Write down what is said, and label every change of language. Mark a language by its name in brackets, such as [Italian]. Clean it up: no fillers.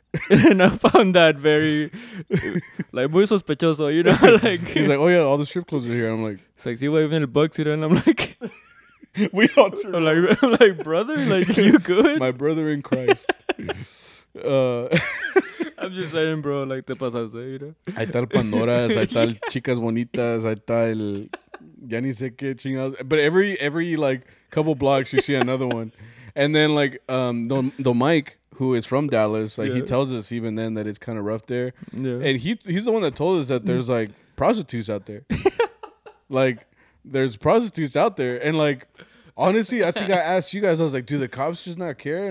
[English] And I found that very, like, [Spanish] muy sospechoso, [English] you know? Like, he's like, oh, yeah, all the strip clubs are here. I'm like, it's like, see, what, even a buck to them? And I'm like, we all true. I'm like, brother, like, you good? My brother in Christ. I'm just saying, bro, like, [Spanish] te pasas, [English] you know? [Spanish] Ahí está el Pandora, ahí está el Chicas Bonitas, ahí está el Ya ni sé qué chingados. [English] But every like couple blocks you see another one. And then like the Mike, who is from Dallas, like he tells us even then that it's kind of rough there. Yeah. And he's the one that told us that there's like prostitutes out there. Like there's prostitutes out there. And like honestly, I think I asked you guys, I was like, do the cops just not care?